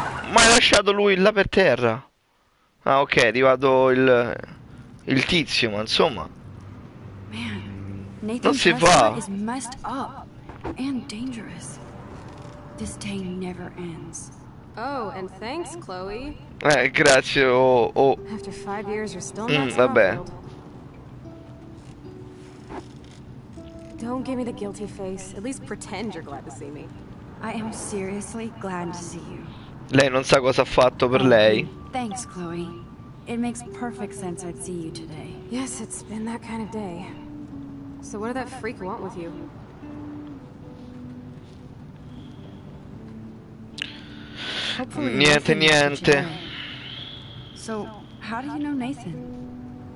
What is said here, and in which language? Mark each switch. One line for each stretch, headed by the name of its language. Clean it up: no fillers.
Italian: Ma hai lasciato lui là per terra! Ah ok, è arrivato il tizio, ma insomma.
English: Man, Nathan is messed up and dangerous. This day never ends. Oh, and thanks, Chloe.
Italian: Grazie, oh.
English: After 5 years you're still not vabbè. Don't give me the guilty face. At least pretend you're glad to see me. I am seriously glad to see you.
Italian: Lei non sa cosa ha fatto per lei.
English: Thanks, Chloe. It makes perfect sense I'd see you today. Yes, it's been that kind of day. So what did that freak want with you?
Italian: Niente, niente.
English: So, how do you know Nathan?